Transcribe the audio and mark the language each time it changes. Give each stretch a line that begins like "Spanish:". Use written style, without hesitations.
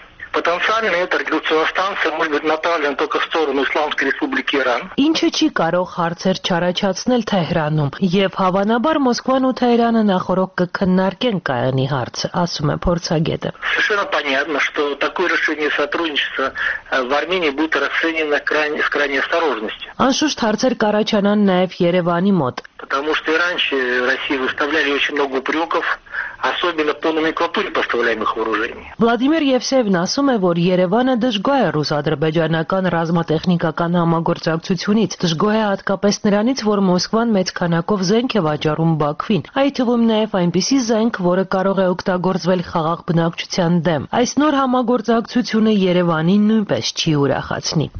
Russian: Потенциально эта радиостанция может быть направлена только в сторону Исламской Республики Иран.
Armenian: Ինչը չի կարող հարցեր չառաջացնել Թեհրանում, եւ հավանաբար Մոսկվան ու Թեհրանը նախորդ կքննարկեն կայանի հարցը, ասում է փորձագետը։
Russian: Совершенно понятно, что такое решение сотрудничества в Армении будет расценено крайне осторожностью.
Armenian: Անշուշտ հարցեր կառաջանան նաեւ Երևանի մոտ։
Russian: Потому что раньше России выставляли очень много упреков, особенно по номенклатуре поставляемых вооружений.
Armenian: Владимир Евсеевич ասում է, որ Երևանը դժգոհ է ռուս-ադրբեջանական ռազմատեխնիկական համագործակցությունից, դժգոհ է հատկապես նրանից, որ Մոսկվան մեծ քանակով զենք է վաճառում Բաքվին, այդ թվում նաև այնպիսի զենք, որը կարող է օգտագործվել խաղաղ բնակչության դեմ։ Այս նոր համագործակցությունը Երևանին նույնպես չի ուրախացնի։